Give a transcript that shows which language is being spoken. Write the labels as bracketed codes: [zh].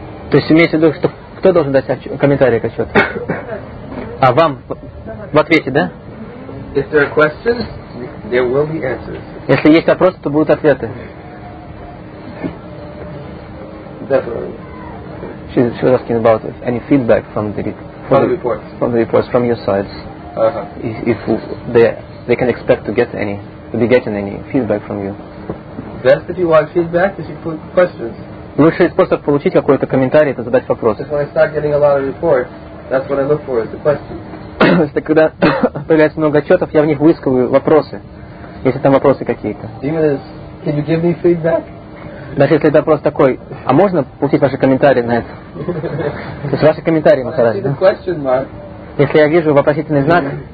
[ru] То есть имеете в виду, что кто должен дать комментарий к отчету? А вам в ответе, да? [en] If there are questions, there will be answers. [ru] Если есть вопросы, то будут ответы. [en] Definitely. She was asking about it. Any feedback from the reports? From the reports, from your sides. Uh-huh. If they can expect to get any, to be getting any feedback from you. Best if you want feedback is you put questions. [ru] Лучший способ получить какой-то комментарий — это задать вопрос. [en] When I start getting a lot of reports, that's what I look for, is the questions. [ru] То есть, когда появляется много отчетов, я в них выискиваю вопросы, если там вопросы какие-то. [en] Even as, can you give me feedback? [ru] Даже если это вопрос такой, а можно получить ваши комментарии на это? То есть, ваши комментарии, Махараджи. [en] The question mark. [ru] Если я вижу вопросительный знак,